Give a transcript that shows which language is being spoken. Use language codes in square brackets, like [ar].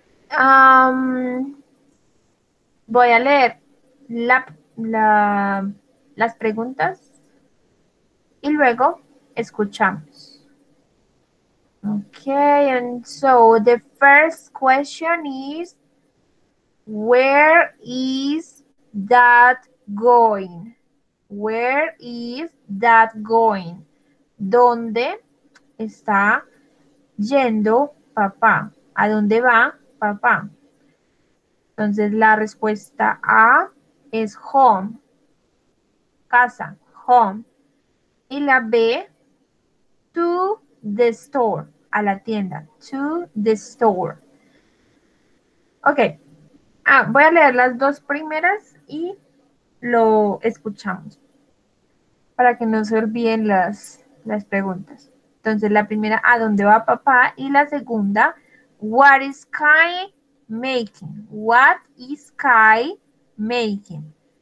[es] Voy a leer las preguntas y luego escuchamos. [en] Okay, and so the first question is, where is that going? Where is that going? [es] ¿Dónde está yendo papá? ¿A dónde va papá? Entonces la respuesta A es home, casa, home. Y la B, [en] to the store, [es] a la tienda, to the store. Ok. Ah, voy a leer las dos primeras y lo escuchamos para que no se olviden las preguntas. Entonces la primera, ¿a dónde va papá? Y la segunda, [en] what is Kai making? What is Kai making?